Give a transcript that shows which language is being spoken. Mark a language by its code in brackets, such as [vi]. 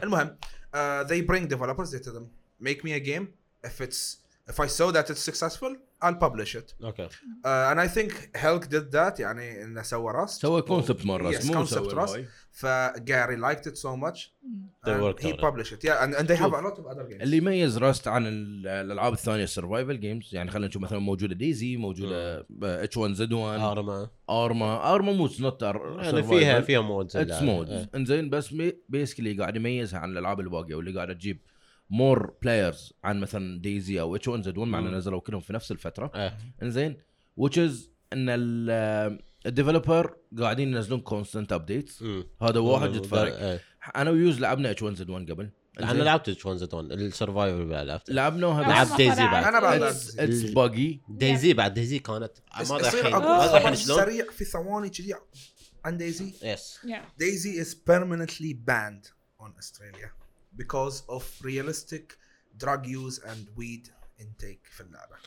[ar] المهم, [en] they bring developers, they tell them, make me a game. If I saw that it's successful, I'll publish it. Okay. And I think Helk did that. [ar] يعني إنه سوى [en] Rust. [ar] سوى concept مرة. Yes, concept Rust. [en] فGary liked it so much. They worked on it. He published it. Yeah, and they have a lot of other games. [ar] اللي يميز Rust عن الألعاب الثانية [en] survival games [ar] يعني خلينا نشوف مثلاً موجودة Daisy موجودة H1Z1. Arma [en] مو not a [ar] survival. يعني فيها modes. [en] It's modes. [ar] إنزين بس basically قاعد يميزها عن الألعاب الباقية واللي قاعد تجيب. [en] More players [ar] عن مثلاً ديزي أو H1Z1 معنا نزلوا كلهم في نفس الفترة إنزين which is إن ال developer قاعدين ينزلون [en] constant updates [ar] هذا واحد يتفرق أنا ويوز لعبنا H1Z1 قبل أنا لعبت H1Z1 السرفايفر بعد لعبت لعبناها لعب ديزي بعد أنا بعد [en] it's buggy [ar] ديزي بعد ديزي كانت سريع في ثواني كذي عن ديزي [en] yes Daisy is permanently banned on Australia because of realistic drug use and weed intake [ar] في اللعبة.